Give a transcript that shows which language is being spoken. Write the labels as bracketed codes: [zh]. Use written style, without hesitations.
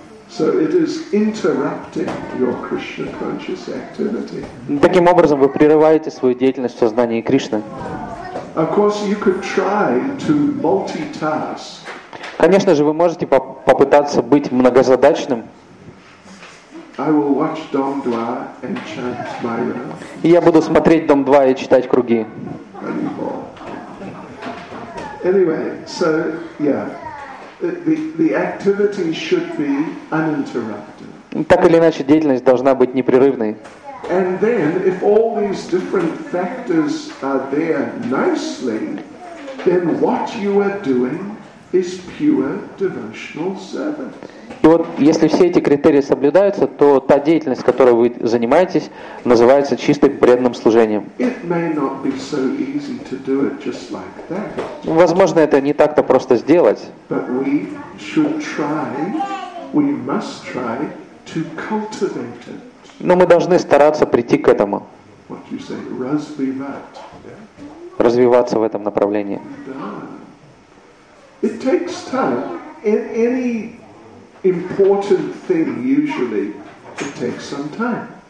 [en] So it is interrupting your Krishna conscious activity. [ru] Таким образом, вы прерываете свою деятельность в сознании Кришны. [en] Of course, you could try to multitask. [ru] Конечно же, вы можете попытаться быть многозадачным. [en] I will watch Dom Dwa and chant my rounds. [ru] Я буду смотреть Дом Два и читать круги. [en] Anyway, so yeah. The activity should be uninterrupted. [ru] Так или иначе, деятельность должна быть непрерывной. [en] And then, if all these different factors are there nicely, then what you are doing is pure devotional service. [ru] И вот если все эти критерии соблюдаются, то та деятельность, которой вы занимаетесь, называется чистым преданным служением. [en] It may not be so easy to do it just like that. [ru] Возможно, это не так-то просто сделать. [en] But we should try, we must try to cultivate it. [ru] Но мы должны стараться прийти к этому. [en] What you say? [ru] Развивать. Развиваться в этом направлении. [en] It takes time. In any important thing usually it takes some time.